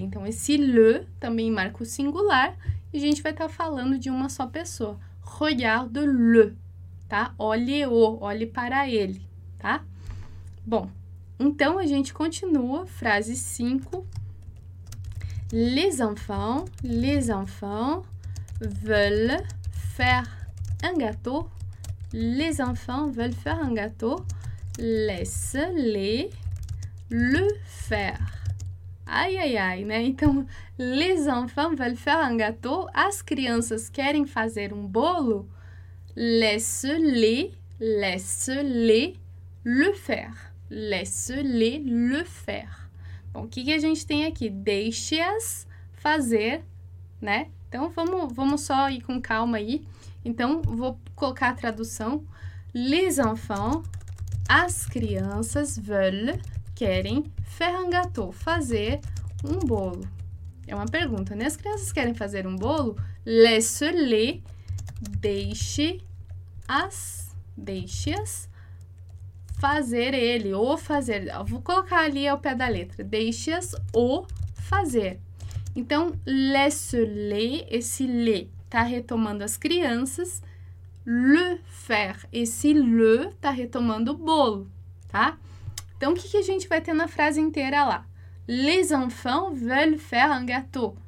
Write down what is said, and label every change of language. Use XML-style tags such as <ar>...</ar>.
<pt>Então, esse le também marca o singular. E a gente vai estar falando de uma só pessoa.</pt> <fr>Regarde-le.</fr> <pt>Tá? Olhe-o. Olhe para ele. Tá? Bom, então a gente continua. Frase 5.</pt> <fr>Les enfants veulent faire un gâteau. Les enfants veulent faire un gâteau. Laisse-les le faire. Ai, ai, ai, né? Então, les enfants veulent faire un gâteau.</fr> <pt>As crianças querem fazer um bolo.</pt> <fr>Laisse-les le faire. Laisse-les le faire.</fr> <pt>Bom, o que, que a gente tem aqui? Deixe-as fazer, né? Então, vamos só ir com calma aí. Então, vou colocar a tradução.</pt> <fr>Les enfants...</fr> <pt>As crianças veulent, querem,</pt> <fr>faire un gâteau,</fr> <pt>fazer um bolo. É uma pergunta, né? As crianças querem fazer um bolo? Laisse-les, deixe-as fazer ele, ou fazer. Eu vou colocar ali ao pé da letra, deixe-as ou fazer. Então, laisse-les, esse le tá retomando as crianças. Le faire, esse le tá retomando o bolo, tá? Então, o que, que a gente vai ter na frase inteira lá?</pt> <fr>Les enfants veulent faire un gâteau.</fr>